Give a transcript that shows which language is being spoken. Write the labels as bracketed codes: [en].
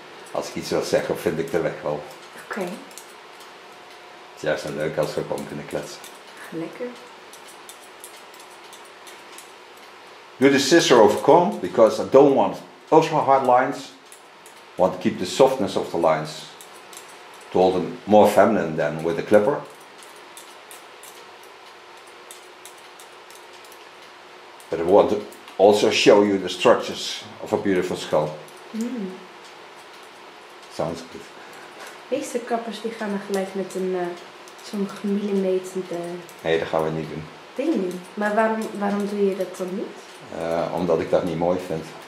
[nl] Als ik iets wil zeggen, vind ik de weg wel. Oké. Het is juist leuk als we gewoon kunnen kletsen. Lekker. [en] Do the scissor over comb, because I don't want ultra hard lines. Want to keep the softness of the lines to hold them more feminine than with the clipper. But I want to also show you the structures of a beautiful skull. Sounds good. [nl] Meeste kappers die gaan er gelijk met een zo'n gemillimeterde. Nee, dat gaan we niet doen. Ding. Maar waarom doe je dat dan niet? Omdat ik dat niet mooi vind.